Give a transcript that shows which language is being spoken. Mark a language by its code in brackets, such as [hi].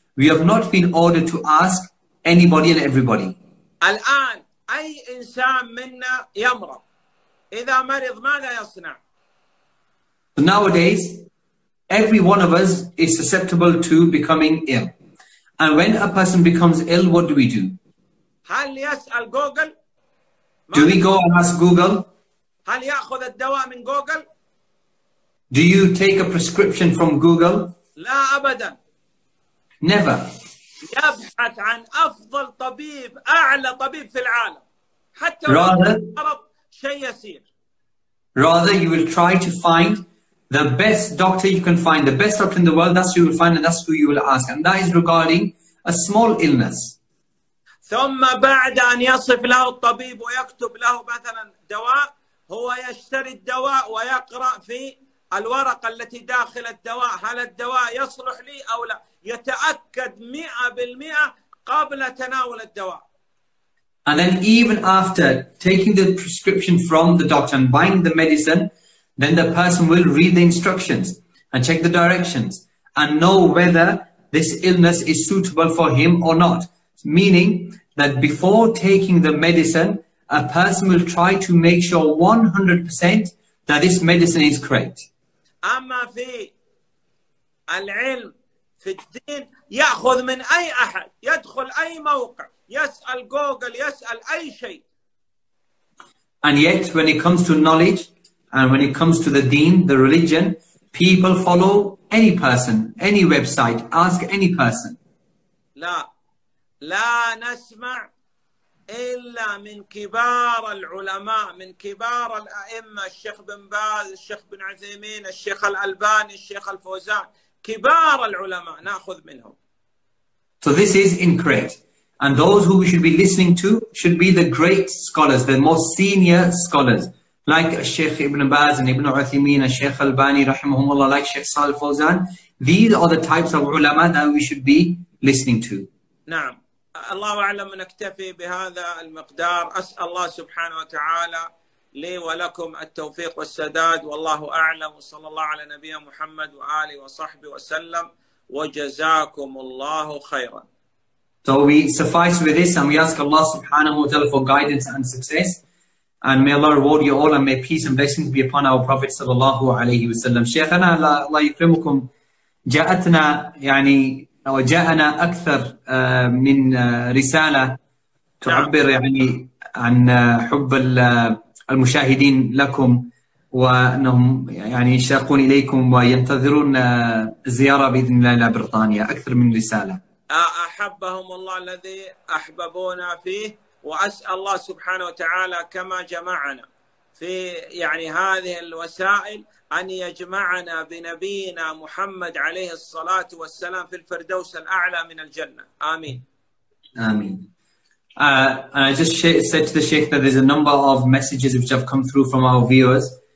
[en] We have not been ordered to ask anybody and everybody. [ar] الآن أي إنسان منا يمرض إذا مرض ماذا يصنع؟ [en] Nowadays, every one of us is susceptible to becoming ill. And when a person becomes ill, what do we do? [ar] هل يسأل جوجل؟ [en] Do we go and ask Google? [ar] هل يأخذ الدواء من جوجل؟ [en] Do you take a prescription from Google? [ar] لا أبدا. [en] Never. [ar] يبحث عن أفضل طبيب أعلى طبيب في العالم حتى شيء يسير. [en] Rather you will try to find the best doctor you can find, the best doctor in the world, that's who you will find and that's who you will ask. And that is regarding a small illness. [ar] ثم بعد أن يصف له الطبيب ويكتب له مثلا دواء هو يشتري الدواء ويقرأ في الورقة التي داخل الدواء هل الدواء يصلح لي أو لا يتأكد 100% قبل تناول الدواء. [en] And then even after taking the prescription from the doctor and buying the medicine, then the person will read the instructions and check the directions and know whether this illness is suitable for him or not. Meaning that before taking the medicine, a person will try to make sure 100% that this medicine is correct. [ar] أما في العلم في الدين يأخذ من أي أحد يدخل أي موقع يسأل جوجل يسأل أي شيء. [en] And yet when it comes to knowledge and when it comes to the deen, the religion, people follow any person, any website, ask any person. [ar] لا لا نسمع إلا من كبار العلماء من كبار الأئمة الشيخ بن باز الشيخ بن عثيمين الشيخ الألباني الشيخ الفوزان كبار العلماء نأخذ منهم. [en] So this is incorrect. And those who we should be listening to should be the great scholars, the most senior scholars, like الشيخ ابن باز and ابن عثيمين الشيخ الألباني [ar] رحمهم الله [en] like الشيخ صالح الفوزان. These are the types of علماء that we should be listening to. [ar] نعم. الله أعلم نكتفي بهذا المقدار أسأل الله سبحانه وتعالى لي ولكم التوفيق والسداد والله أعلم وصلى الله على نبينا محمد وآله وصحبه وسلم وجزاكم الله خيرا. [en] So we suffice with this and we ask Allah subhanahu wa ta'ala for guidance and success and may Allah reward you all and may peace and blessings be upon our Prophet [ar] صلى الله عليه وسلم. شيخنا الله يكرمكم جاءتنا يعني أو جاءنا أكثر من رسالة تعبر يعني عن حب المشاهدين لكم وأنهم يعني يشتاقون إليكم وينتظرون زيارة بإذن الله إلى بريطانيا أكثر من رسالة. أحبهم الله الذي أحببونا فيه وأسأل الله سبحانه وتعالى كما جمعنا في يعني هذه الوسائل أن يجمعنا بنبينا محمد عليه الصلاة والسلام في الفردوس الأعلى من الجنة. آمين. آمين. [en] And I just said to the Sheikh that there's a number of messages which have come through from our viewers.